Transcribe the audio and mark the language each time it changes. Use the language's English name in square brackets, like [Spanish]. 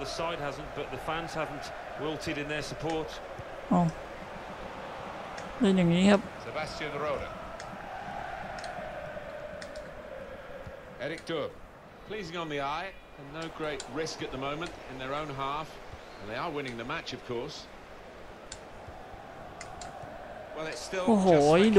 [English] The side hasn't, but the fans haven't wilted in their support. [Thai] Oh, เล่นอย่างนี้ครับ [English] Sebastian Rode, Eric Dube, pleasing on the eye and no great risk at the moment in their own half. And they are winning the match, of course. Well, it's still just speculation.